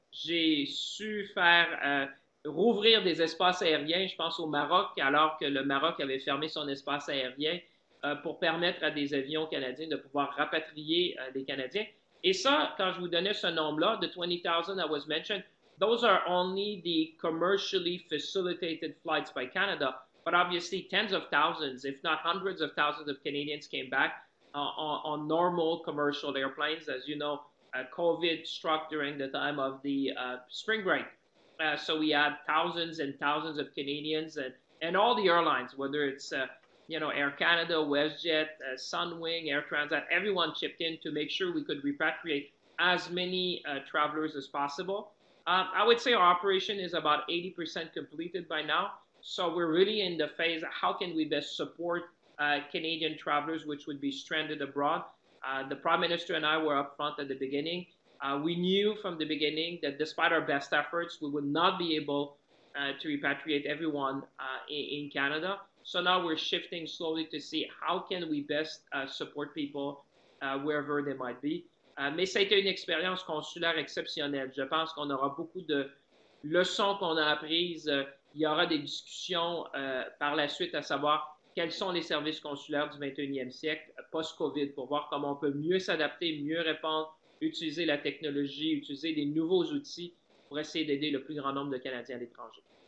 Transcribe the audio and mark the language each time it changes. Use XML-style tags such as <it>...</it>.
<fr>J'ai su faire rouvrir des espaces aériens, je pense au Maroc, alors que le Maroc avait fermé son espace aérien pour permettre à des avions canadiens de pouvoir rapatrier des Canadiens. Et ça, quand je vous donnais ce nombre-là,</fr> <en>the 20,000 I was mentioned, those are only the commercially facilitated flights by Canada. But obviously, tens of thousands, if not hundreds of thousands of Canadians came back on normal commercial airplanes. As you know, COVID struck during the time of the spring break. So we had thousands and thousands of Canadians and all the airlines, whether it's Air Canada, WestJet, Sunwing, Air Transat, everyone chipped in to make sure we could repatriate as many travelers as possible. I would say our operation is about 80% completed by now. So we're really in the phase of how can we best support Canadian travelers which would be stranded abroad. The Prime Minister and I were up front at the beginning. We knew from the beginning that despite our best efforts, we would not be able to repatriate everyone in Canada. So now we're shifting slowly to see how can we best support people wherever they might be.</en> <fr>Mais ça a été une expérience consulaire exceptionnelle. Je pense qu'on aura beaucoup de leçons qu'on a apprises. Il y aura des discussions par la suite à savoir quels sont les services consulaires du 21e siècle post-COVID pour voir comment on peut mieux s'adapter, mieux répondre, utiliser la technologie, utiliser des nouveaux outils pour essayer d'aider le plus grand nombre de Canadiens à l'étranger.</fr>